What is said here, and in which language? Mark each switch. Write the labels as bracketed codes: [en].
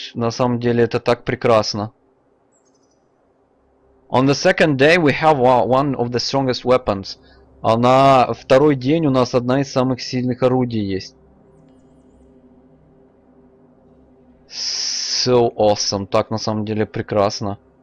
[ru] На самом деле это так прекрасно. [en] On the second day we have one of the strongest weapons. [ru] А на второй день у нас одна из самых сильных орудий есть. [en] So awesome. [ru] Так на самом деле прекрасно.